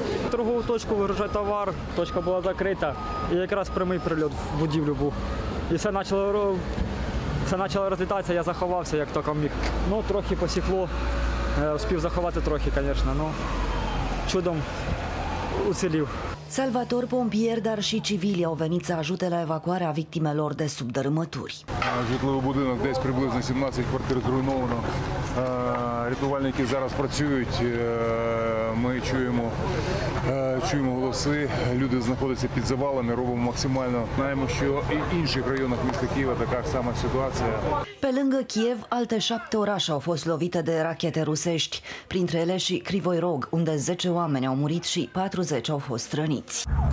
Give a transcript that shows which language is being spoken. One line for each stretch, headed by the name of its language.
Ukrainian: Другу точку вже товар, точка була закрита, і якраз прямий прильот в будівлю був. І все почало розлітатися, я заховався, як тільки міг. Ну, трохи посікло, успів заховати трохи, звісно, але чудом уцілів.
Romanian: Salvatori, pompieri, dar și civili au venit să ajute la evacuarea victimelor de sub dărâmături.
Ukrainian: Житловий будинок десь приблизно 17 квартир зруйновано. Рятувальники зараз працюють. Ми чуємо голоси. Люди знаходяться під завалами, робимо максимально. Знаємо, що і в інших районах міста Києва така сама ситуація.
Romanian: Pe lângă Kiev, alte 7 orașe au fost lovite de rachete rusești, printre ele și Krivoi Rog, unde 10 oameni au murit și 40 au fost răniți.